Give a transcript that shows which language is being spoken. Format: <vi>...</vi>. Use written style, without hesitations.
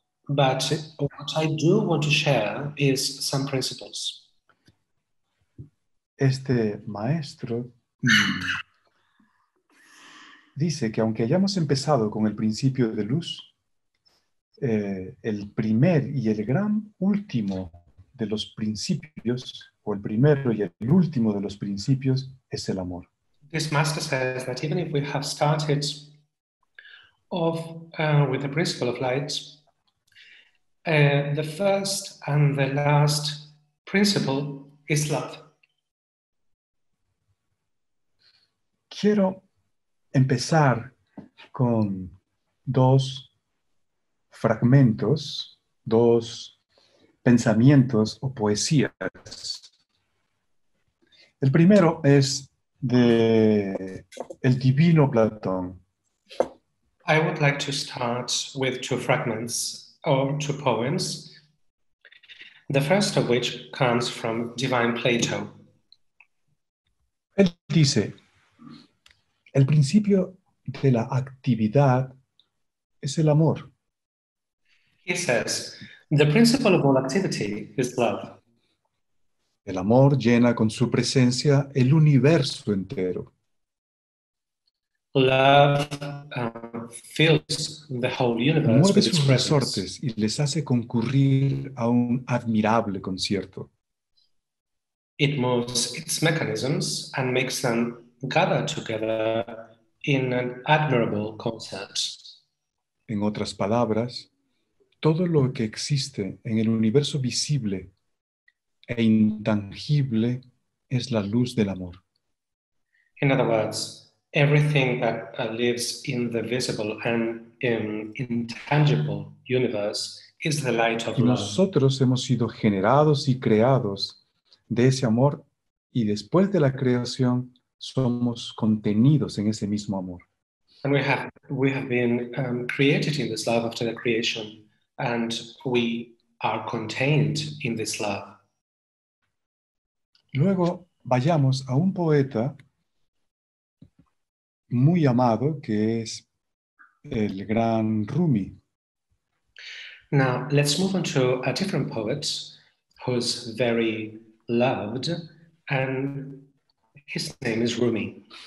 <en>But what I do want to share is some principles."</en> <es>Este maestro dice que aunque hayamos empezado con el principio de luz, el primer y el gran último de los principios, o el primero y el último de los principios, es el amor.</es> <en>This master says that even if we have started off with the principle of light, the first and the last principle is love.</en> <es>Quiero empezar con dos fragmentos, dos pensamientos o poesías. El primero es de el divino Platón.</es> <en>I would like to start with two fragments or two poems, the first of which comes from divine Plato.</en> <es>Él dice, el principio de la actividad es el amor.</es> <en>He says, the principle of all activity is love.</en> <es>El amor llena con su presencia el universo entero.</es> <en>Love fills the whole universe.</en> <es>Mueve sus</es> <en>presence.</en> <es>Resortes y les hace concurrir a un admirable concierto.</es> <en>It moves its mechanisms and makes them gather together in an admirable concert.</en> <es>En otras palabras, todo lo que existe en el universo visible e intangible es la luz del amor.</es> <en>In other words, everything that lives in the visible and intangible universe is the light of</en> <es>y</es> <en>love.</en> <es>Nosotros hemos sido generados y creados de ese amor, y después de la creación somos contenidos en ese mismo amor.</es> <en>And we have been created in this love after the creation, and we are contained in this love.</en> <es>Luego vayamos a un poeta muy amado, que es el gran Rumi.</es> <en>Now, let's move on to a different poet who's very loved, and his name is Rumi.</en>